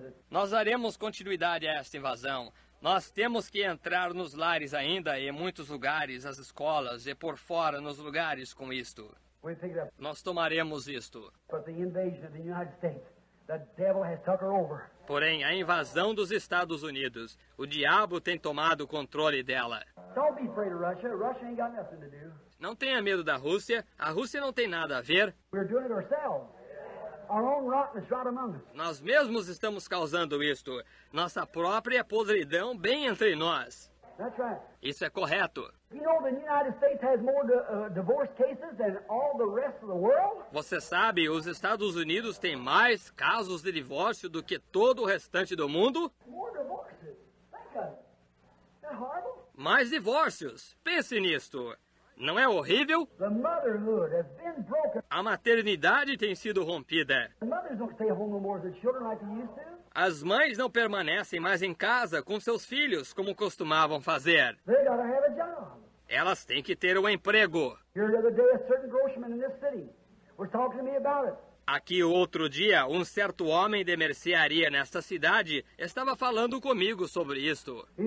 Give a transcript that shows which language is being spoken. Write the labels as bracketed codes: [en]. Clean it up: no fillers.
[pt] Nós daremos continuidade a esta invasão. Nós temos que entrar nos lares ainda, em muitos lugares, as escolas, e por fora nos lugares com isto. Nós tomaremos isto. [en] But the invasion of the United States, the devil has taken over. [pt] Porém, a invasão dos Estados Unidos, o diabo tem tomado o controle dela. [en] Don't be afraid of Russia. Russia ain't got nothing to do. [pt] Não tenha medo da Rússia. A Rússia não tem nada a ver. [en] We're doing it ourselves. Our own rottenness right among us. [pt] Nós mesmos estamos causando isto. Nossa própria podridão bem entre nós. [en] That's right. [pt] Isso é correto. [en] You know the United States has more divorce cases than all the rest of the world? [pt] Você sabe, os Estados Unidos têm mais casos de divórcio do que todo o restante do mundo? [en] More divorces. Think of it. Isn't that horrible? [pt] Mais divórcios. Pense nisto. Não é horrível? [en] The motherhood has been broken. [pt] A maternidade tem sido rompida. [en] The mothers don't stay home no more with the children like they used to. [pt] As mães não permanecem mais em casa com seus filhos, como costumavam fazer. [en] They gotta have a job. [pt] Elas têm que ter um emprego. [en] Here the other day, a certain grocerman in this city was talking to me about it. [pt] Aqui outro dia, um certo homem de mercearia nesta cidade estava falando comigo sobre isto.